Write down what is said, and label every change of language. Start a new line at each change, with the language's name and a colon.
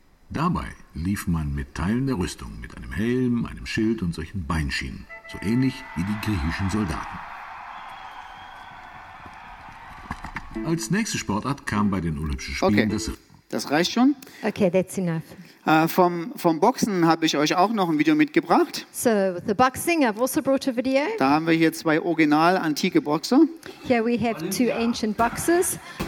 German: Dabei lief man mit Teilen der Rüstung, mit einem Helm, einem Schild und solchen Beinschienen, so ähnlich wie die griechischen Soldaten. Als nächste Sportart kam bei den Olympischen Spielen okay. Das reicht schon.
English: Okay, that's enough.
German: Vom Boxen habe ich euch auch noch ein Video mitgebracht.
English: So, the boxing, I've also brought a video.
German: Da haben wir hier zwei original antike Boxer.
English: Here we have two ancient boxers.